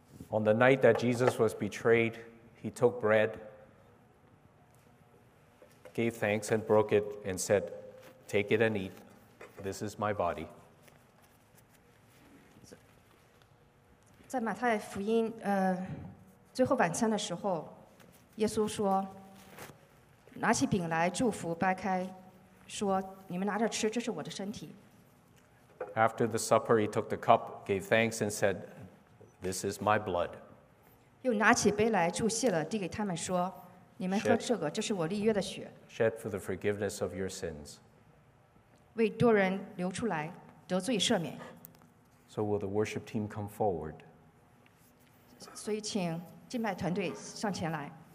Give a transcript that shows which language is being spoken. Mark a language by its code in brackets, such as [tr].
[en] On the night that Jesus was betrayed, he took bread, gave thanks and broke it, and said, "Take it and eat. This is my body." [zh] 在马太福音最后晚餐的时候。耶稣说拿起饼来祝福掰开说你们拿着吃这是我的身体。 [en] After the supper, he took the cup, gave thanks, and said, "This is my blood." [zh] 又拿起杯来祝谢了递给他们说你们喝这个这是我立约的血。 [en] Shed for the forgiveness of your sins. [zh] 为多人流出来得罪赦免。 [en] So will the worship team come forward? [zh] 所以请敬拜团队上前来。